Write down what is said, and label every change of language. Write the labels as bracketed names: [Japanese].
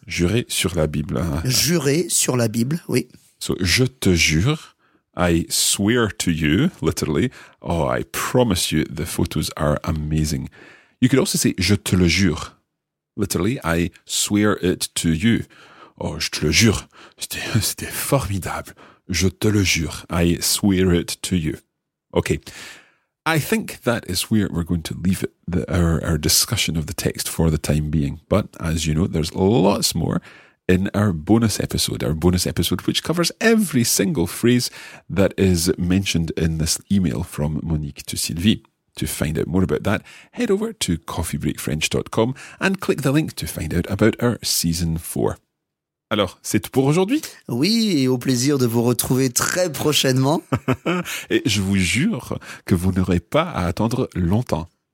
[French] Jurer sur la Bible. Jurer sur la Bible, oui. [English] So, [French] je te jure, [English] I swear to you, literally, oh, I promise you, the photos are amazing. You could also say, [French] je te le jure. [English] Literally, I swear it to you. [French] Oh, je te le jure, c'était formidable. Je te le jure, [English] I swear it to you. Okay, I think that is where we're going to leave it, our discussion of the text for the time being. But as you know, there's lots more in our bonus episode, which covers every single phrase that is mentioned in this email from Monique to Sylvie. To find out more about that, head over to coffeebreakfrench.com and click the link to find out about our season 4. [French] Alors, c'est tout pour aujourd'hui? Oui, et au plaisir de vous retrouver très prochainement. Et je vous jure que vous n'aurez pas à attendre longtemps.